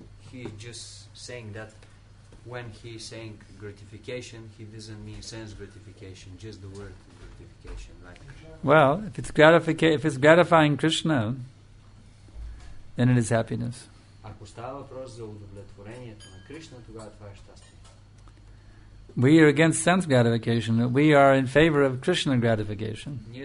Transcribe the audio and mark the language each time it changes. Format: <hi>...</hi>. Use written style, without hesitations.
<en>He is just saying that when he is saying gratification, he doesn't mean sense gratification, just the word gratification. Like, well, if it's gratification, if it's gratifying Krishna, then it is happiness.</en> <bg>Ако става въпрос за удовлетворението на Кришна, тогава това е щастие.</bg> <en>We are against sense gratification. We are in favor of Krishna gratification.</en>